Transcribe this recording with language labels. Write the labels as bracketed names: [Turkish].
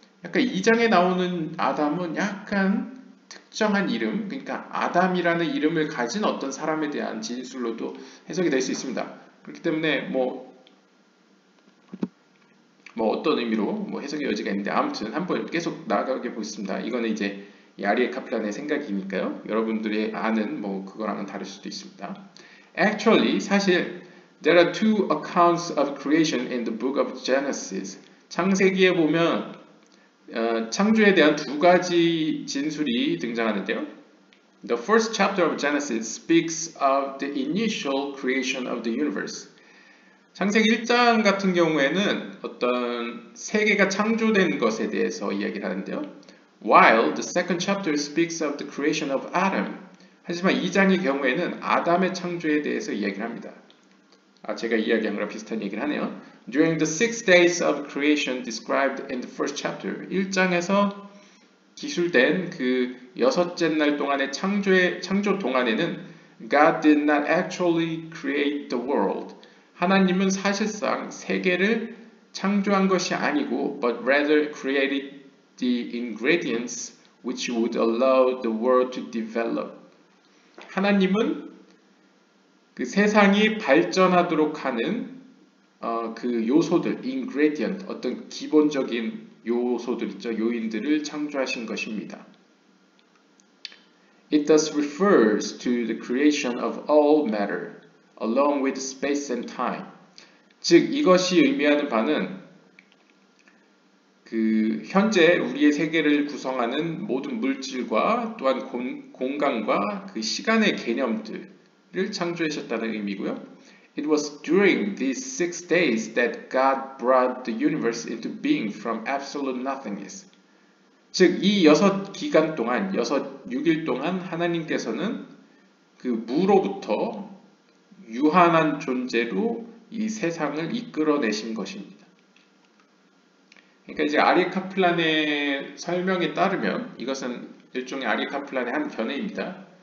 [Korean] 약간 2장에 나오는 아담은 약간 특정한 이름, 그러니까 아담이라는 이름을 가진 어떤 사람에 대한 진술로도 해석이 될수 있습니다. 그렇기 때문에 뭐 어떤 의미로 뭐 해석의 여지가 있는데 아무튼 한번 계속 나아가게 보겠습니다. 이거는 이제 야리에 카플란의 생각이니까요. 여러분들이 아는 뭐 그거랑은 다를 수도 있습니다. [English] Actually, [Korean] 사실 [English] there are two accounts of creation in the book of Genesis. [Korean] 창세기에 보면 창조에 대한 두 가지 진술이 등장하는데요. [English] The first chapter of Genesis speaks of the initial creation of the universe. [Korean] 창세기 1장 같은 경우에는 어떤 세계가 창조된 것에 대해서 이야기를 하는데요. [English] While the second chapter speaks of the creation of Adam. [Korean] 하지만 2장의 경우에는 아담의 창조에 대해서 이야기를 합니다. 아, 제가 이야기한 거랑 비슷한 얘기를 하네요. [English] During the 6 days of creation described in the first chapter. [Korean] 1장에서 기술된 그 여섯째 날 동안의 창조 동안에는 [English] God did not actually create the world. [Korean] 하나님은 사실상 세계를 창조한 것이 아니고, [English] but rather created the ingredients which would allow the world to develop. [Korean] 하나님은 그 세상이 발전하도록 하는 그 요소들, ingredient, 어떤 기본적인 요소들 있죠. 요인들을 창조하신 것입니다. [English] It thus refers to the creation of all matter along with space and time. [Korean] 즉, 이것이 의미하는 바는 그 현재 우리의 세계를 구성하는 모든 물질과 또한 공간과 그 시간의 개념들을 창조하셨다는 의미고요. [English] It was during these 6 days that God brought the universe into being from absolute nothingness. [Korean] 즉, 이 여섯 기간 동안, 6일 동안 하나님께서는 그 무로부터 유한한 존재로 이 세상을 이끌어내신 것입니다. 그러니까 이제 아리 카플란의 설명에 따르면 이것은 일종의 아리 카플란의 한 견해입니다.